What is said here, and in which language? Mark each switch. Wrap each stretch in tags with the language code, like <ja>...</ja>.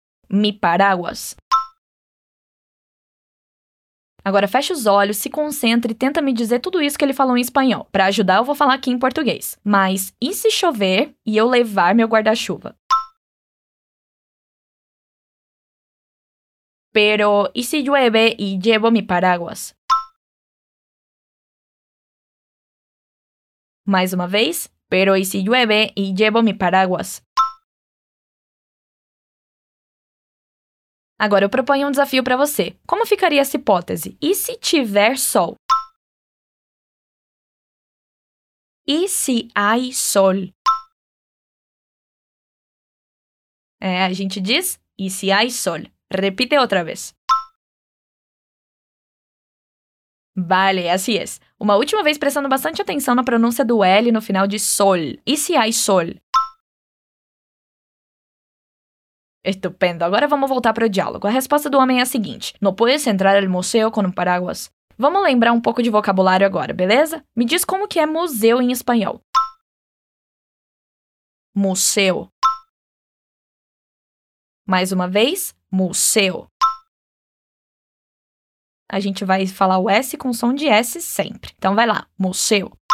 <es>Mi paraguas.</es> <pt>Agora, fecha os olhos, se concentre e tenta me dizer tudo isso que ele falou em espanhol. Para ajudar, eu vou falar aqui em português. Mas, e se chover e eu levar meu guarda-chuva?</pt> <es>Pero, ¿y si llueve y llevo mi paraguas?</es> <pt>Mais uma vez.</pt> <es>Pero, ¿y si llueve y llevo mi paraguas?</es> <pt>Agora, eu proponho um desafio para você. Como ficaria essa hipótese? E se tiver sol?</pt> <es>E se hay sol?</es> <pt>É, a gente diz,</pt> <es>¿y si hay sol? Repite</es> <pt>outra vez.</pt> <es>Vale, así es.</es> <pt>Uma última vez prestando bastante atención a pronuncia do L no final de sol.</pt> <es>¿Y si hay sol? Estupendo.</es> <pt>Agora vamos voltar para o diálogo. A resposta do homem é a seguinte.</pt> <es>No puedes entrar al museo con un paraguas?</es> <pt>Vamos lembrar um pouco de vocabulário agora, beleza? Me diz como que é museu em espanhol. Museu. Mais uma vez, museu. A gente vai falar o S com som de S sempre. Então, vai lá, museu.</pt>